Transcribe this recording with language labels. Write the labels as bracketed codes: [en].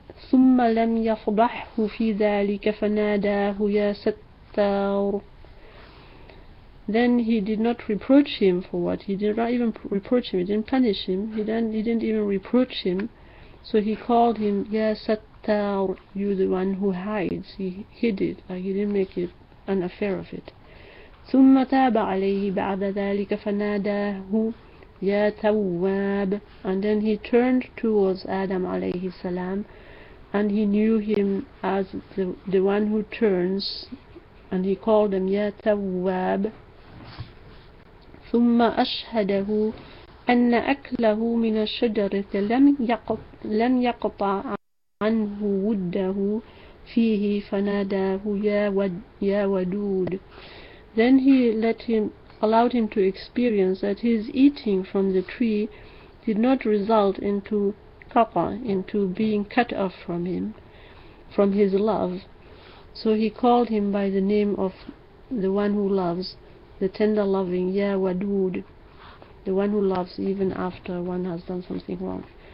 [ar] ثم لم يفضحه في ذلك فناداه يا ستار. [en] Then he did not reproach him for what he did not even reproach him. He didn't punish him. He didn't even reproach him. So he called him, [ar] Ya Sattar, [en] you the one who hides. He hid it. Like he didn't make it an affair of it. [ar] ثم تاب عليه بعد ذلك فناداه يا تواب. [en] And then he turned towards Adam alayhi salam, and he knew him as the one who turns, and he called him [ar] Ya Tawwab. ثم أشهده أن أكله من الشجرة لم يقطع عنه وده فيه فناداه يا ودود. [en] Then he allowed him to experience that his eating from the tree did not result into kaqa, into being cut off from him, from his love. So he called him by the name of the one who loves, the tender loving, [ar] Ya Wadud, [en] the one who loves even after one has done something wrong.